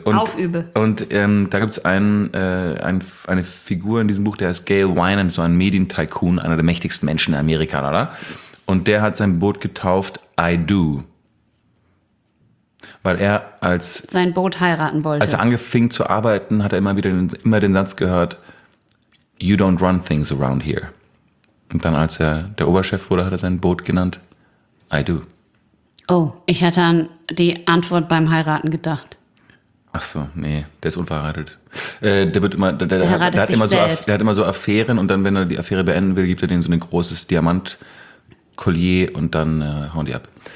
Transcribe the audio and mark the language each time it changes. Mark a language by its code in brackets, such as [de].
[de] Und da gibt es eine Figur in diesem Buch, der heißt Gale Wynan, so ein Medien-Tycoon, einer der mächtigsten Menschen in Amerika, oder? Und der hat sein Boot getauft I Do. Weil er als. Sein Boot heiraten wollte. Als er anfing zu arbeiten, hat er immer den Satz gehört. [en] You don't run things around here. [de] Und dann, als er der Oberchef wurde, hat er sein Boot genannt. [en] I do. [de] Oh, ich hatte an die Antwort beim Heiraten gedacht. Ach so, nee, der ist unverheiratet. Der hat immer so Affären und dann, wenn er die Affäre beenden will, gibt er denen so ein großes Diamant-Collier und dann hauen die ab.